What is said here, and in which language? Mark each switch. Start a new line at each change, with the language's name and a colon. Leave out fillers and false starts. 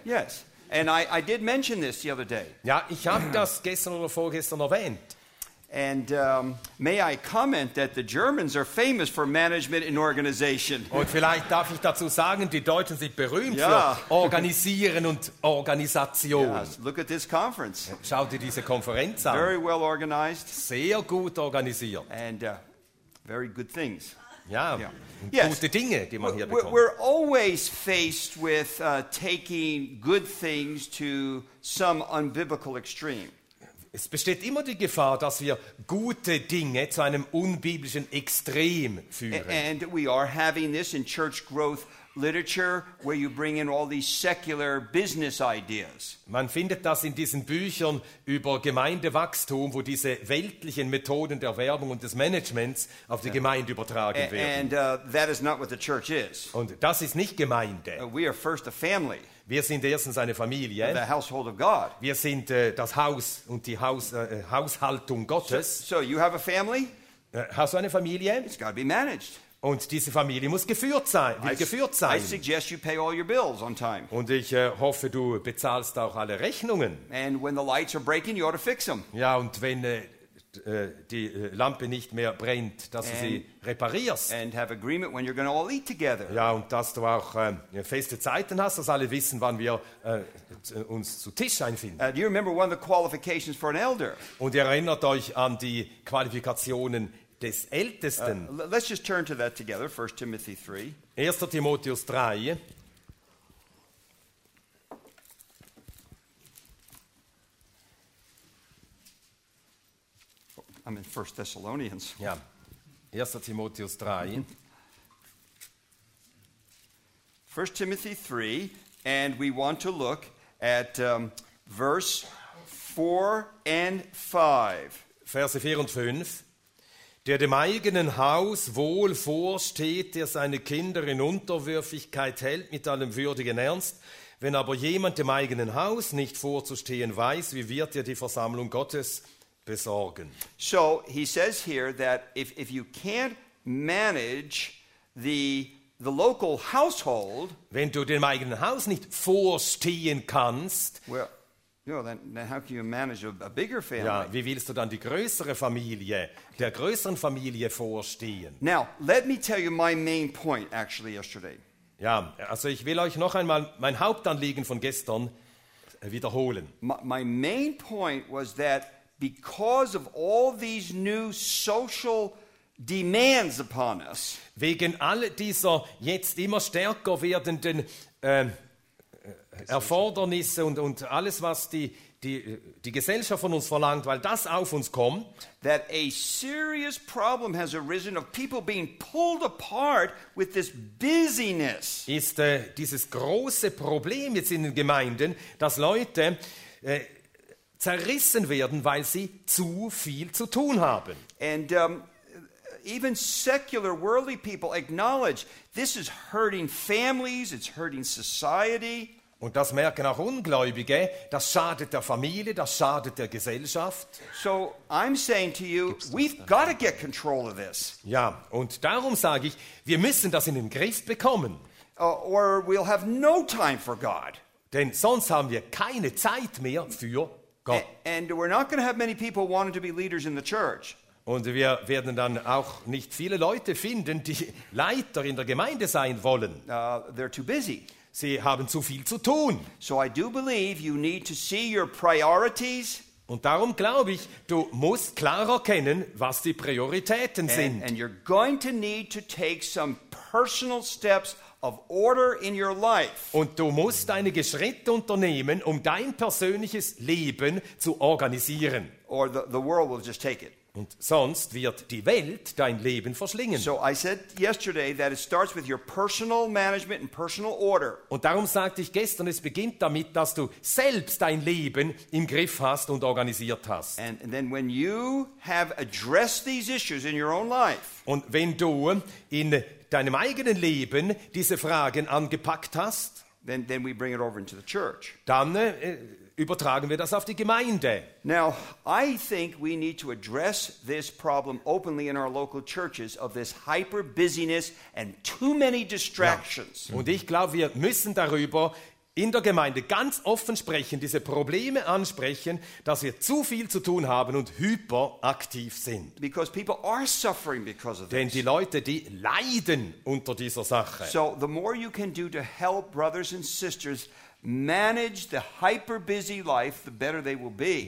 English: Yes, and I did mention this the other day.
German: Ja, ich habe das gestern oder vorgestern erwähnt.
English: And may I comment that the Germans are famous for management and organization.
German: Und vielleicht darf ich dazu sagen, die Deutschen sind berühmt für Organisieren und Organisation.
English: Yes, look at this conference.
German: Schau dir diese Konferenz an.
English: Very well organized.
German: Sehr gut organisiert.
English: And very good things.
German: Ja. Gute Dinge, die man hier bekommt.
English: We're always faced with taking good things to some unbiblical extreme.
German: Es besteht immer die Gefahr, dass wir gute Dinge zu einem unbiblischen Extrem führen.
English: And we are having this in church growth literature, where you bring in all these secular business ideas.
German: Man findet das in diesen Büchern über Gemeindewachstum, wo diese weltlichen Methoden der Werbung und des Managements auf die Gemeinde übertragen werden.
English: And that is not what the church is.
German: Und das ist nicht Gemeinde.
English: We are first a family.
German: Wir sind erstens eine Familie.
English: The household of God.
German: Wir sind das Haus und die Haushaltung Gottes.
English: So you have a family?
German: Hast du eine Familie?
English: It's got to be managed.
German: Und diese Familie muss geführt sein, will geführt sein.
English: I suggest you pay all your bills on time.
German: Und ich hoffe, du bezahlst auch alle Rechnungen.
English: And when the lights are breaking, you ought to fix them.
German: Ja, und wenn die Lampe nicht mehr brennt, dass du sie reparierst.
English: And have agreement when you're going to all eat together.
German: Ja, und dass du auch feste Zeiten hast, dass alle wissen, wann wir uns zu Tisch einfinden.
English: Do you remember one of the qualifications for an elder?
German: Und ihr erinnert euch an die Qualifikationen des Ältesten.
English: Let's just turn to that together, 1 Timothy 3.
German: 1. Timotheus 3.
English: I'm in 1 Thessalonians.
German: Ja. 1. Timotheus 3.
English: 1 Timothy 3, and we want to look at verse 4 and 5.
German: Verse 4 und 5. Der dem eigenen Haus wohl vorsteht, der seine Kinder in Unterwürfigkeit hält mit allem würdigen Ernst. Wenn aber jemand dem eigenen Haus nicht vorzustehen weiß, wie wird er die Versammlung Gottes besorgen?
English: So, he says here that if you can't manage the local household,
German: wenn du dem eigenen Haus nicht vorstehen kannst,
English: well, you know, then how can you manage a bigger family?
German: Ja, wie willst du dann die größere Familie, der größeren Familie vorstehen?
English: Now, let me tell you my main point actually yesterday.
German: Ja, also ich will euch noch einmal mein Hauptanliegen von gestern wiederholen.
English: My main point was that because of all these new social demands upon us,
German: wegen all dieser jetzt immer stärker werdenden Erfordernisse und alles, was die Gesellschaft von uns verlangt, weil das auf uns kommt,
English: that a serious problem has arisen of people being pulled apart with this busyness.
German: Ist dieses große Problem jetzt in den Gemeinden, dass Leute zerrissen werden, weil sie zu viel zu tun haben.
English: And even secular worldly people acknowledge this is hurting families, it's hurting society.
German: Und das merken auch Ungläubige, das schadet der Familie, das schadet der Gesellschaft.
English: So I'm saying to you, we've got to get control of this.
German: Ja, und darum sage ich, wir müssen das in den Griff bekommen.
English: Or we'll have no time for God.
German: Denn sonst haben wir keine Zeit mehr für Gott.
English: And we're not going to have many people wanting to be leaders in the church.
German: Und wir werden dann auch nicht viele Leute finden, die Leiter in der Gemeinde sein wollen.
English: They're too busy.
German: Sie haben zu viel zu tun.
English: So I do believe you need to see your priorities.
German: Und darum glaube ich, du musst klarer kennen, was die Prioritäten sind.
English: And you're going to need to take some personal steps of order in your life.
German: Und du musst einige Schritte unternehmen, um dein persönliches Leben zu organisieren.
English: Or the world will just take it.
German: Und sonst wird die Welt dein Leben verschlingen.
English: So I said yesterday that it starts with your personal management and personal order.
German: Und darum sagte ich gestern, es beginnt damit, dass du selbst dein Leben im Griff hast und organisiert hast.
English: And then when you have addressed these issues in your own life.
German: Und wenn du in deinem eigenen Leben diese Fragen angepackt hast,
English: then we bring it over into the church.
German: Dann übertragen wir das auf die Gemeinde.
English: Now, I think we need to address this problem openly in our local churches of this hyper-busyness and too many distractions.
German: Ja. Und ich glaube, wir müssen darüber in der Gemeinde ganz offen sprechen, diese Probleme ansprechen, dass wir zu viel zu tun haben und hyperaktiv sind.
English: Because people are suffering because of this.
German: Denn die Leute, die leiden unter dieser Sache.
English: So, the more you can do to help brothers and sisters manage the hyper busy life, the better they will be.